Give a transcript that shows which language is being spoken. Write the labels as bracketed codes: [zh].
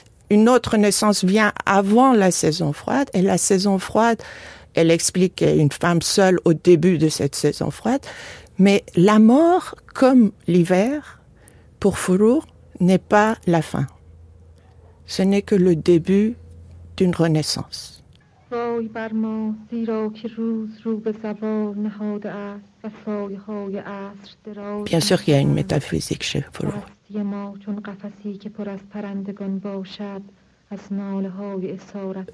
[fr] Une autre naissance vient avant la saison froide, et la saison froide, elle explique qu'elle est une femme seule au début de cette saison froide. Mais la mort, comme l'hiver, pour Furur, n'est pas la fin. Ce n'est que le début d'une renaissance. [fa] سوی بر ما زیرا که روز رو به زوال نهاده است و سایه های عصر دراز [fr] Bien sûr qu'il y a une métaphysique chez Furur. [fa] چون قفسی که پر از پرندگان باشد از ناله های اسارت